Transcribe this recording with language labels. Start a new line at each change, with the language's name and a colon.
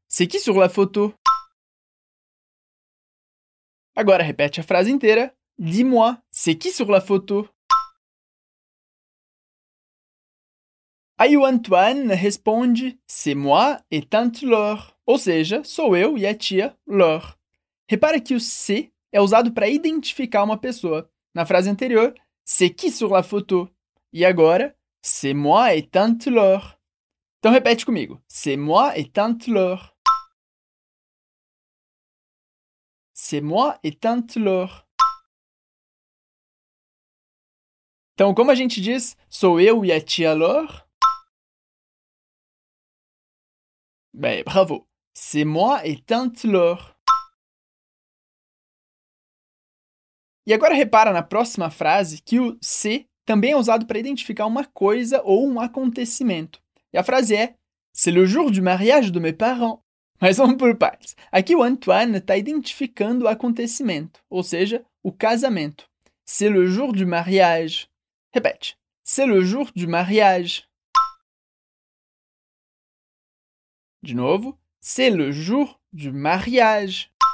French: C'est qui sur la photo?
Portuguese: Agora repete a frase inteira.
French: Dis-moi, c'est qui sur la photo?
Portuguese: Aí o Antoine responde,
French: c'est moi et tante Laure.
Portuguese: Ou seja, sou eu e a tia Laure. Repara que o C é usado para identificar uma pessoa. Na frase anterior,
French: c'est qui sur la photo?
Portuguese: E agora,
French: c'est moi et tante Laure.
Portuguese: Então repete comigo.
French: C'est moi et tante Laure. C'est moi et tante Laure.
Portuguese: Então, como a gente diz, sou eu e a tia Laure? Bem, bravo.
French: C'est moi et tante Laure.
Portuguese: E agora repara na próxima frase que o se também é usado para identificar uma coisa ou um acontecimento. E a frase é:
French: C'est le jour du mariage de mes parents.
Portuguese: Mas vamos por partes. Aqui o Antoine está identificando o acontecimento, ou seja, o casamento.
French: C'est le jour du mariage.
Portuguese: Repete.
French: C'est le jour du mariage.
Portuguese: De novo.
French: C'est le jour du mariage.